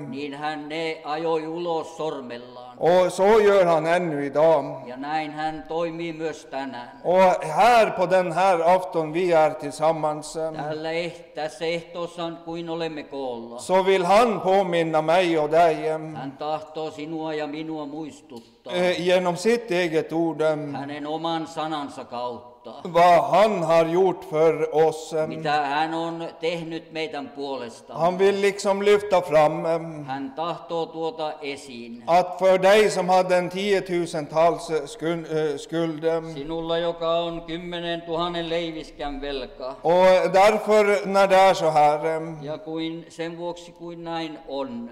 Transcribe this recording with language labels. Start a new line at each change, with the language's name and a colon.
Finnish: Niin hän ne ajoi ulos sormellaan.
Swedish: Och så gör han ännu idag.
Finnish: Ja näin hän toimii myös tänään.
Swedish: Och här på den här afton vi är tillsammans.
Finnish: Tässä ehtoossaan kuin olemme koolla.
Swedish: Så vill han påminna mig och dig.
Finnish: Hän tahtoo sinua ja minua muistuttaa.
Swedish: Genom sitt eget ord.
Finnish: Hänen oman sanansa kautta.
Swedish: Vad han har gjort för oss.
Finnish: Mitä hän on tehnyt meidän puolesta.
Swedish: Han vill liksom lyfta fram.
Finnish: Hän tahtoo tuota esiin.
Swedish: Att för dig som hade en 10 000-tals skuld.
Finnish: Sinulla joka on 10 000 leiviskän velka.
Swedish: Och därför när det är så här.
Finnish: Ja kuin sen vuoksi kuin näin on.